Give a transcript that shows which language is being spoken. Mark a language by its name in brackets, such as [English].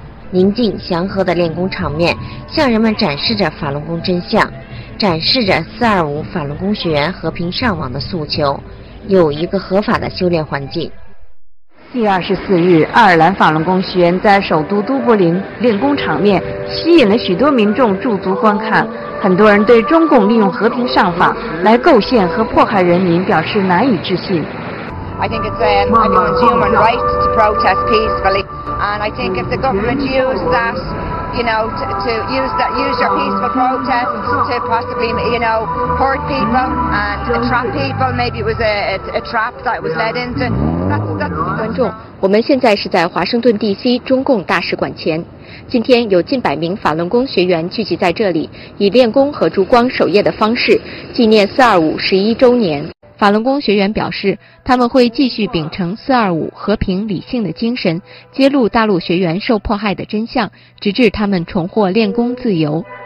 [Chinese] 宁静祥和的练功场面，向人们展示着法轮功真相，展示着425法轮功学员和平上网的诉求，有一个合法的修炼环境。 4月24日，爱尔兰法轮功学员在首都都柏林练功场面，吸引了许多民众驻足观看。很多人对中共利用和平上访来构陷和迫害人民表示难以置信。 [English] I think it's everyone's human right to protest peacefully, and I think if the government used that, you know, to use your peaceful protest to possibly, you know, hurt people and trap people, maybe it was a trap that was led into. [Chinese] 观众，我们现在是在华盛顿 D.C. 中共大使馆前。今天有近百名法轮功学员聚集在这里，以练功和烛光守夜的方式纪念42511周年。法轮功学员表示，他们会继续秉承425和平理性的精神，揭露大陆学员受迫害的真相，直至他们重获练功自由。